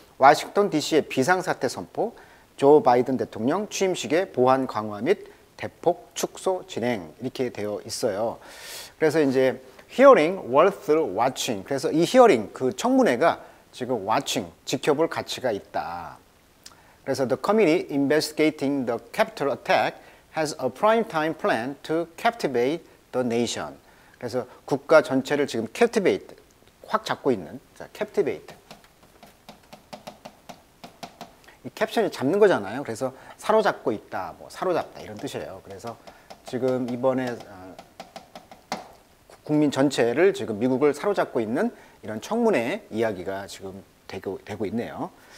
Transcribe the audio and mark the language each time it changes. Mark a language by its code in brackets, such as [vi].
[ko] 워싱턴 DC의 비상사태 선포, 조 바이든 대통령 취임식의 보안 강화 및 대폭 축소 진행 이렇게 되어 있어요. 그래서 이제 히어링 [en] worth watching. [ko] 그래서 이 히어링 그 청문회가 지금 watching 지켜볼 가치가 있다. 그래서 [en] the committee investigating the Capitol attack has a prime time plan to captivate the nation. [ko] 그래서 국가 전체를 지금 captivate 확 잡고 있는 자, captivate. 이 캡션이 잡는 거잖아요. 그래서 사로잡고 있다. 뭐 사로잡다 이런 뜻이에요. 그래서 지금 이번에 국민 전체를 지금 미국을 사로잡고 있는 이런 청문회 이야기가 지금 되고 있네요.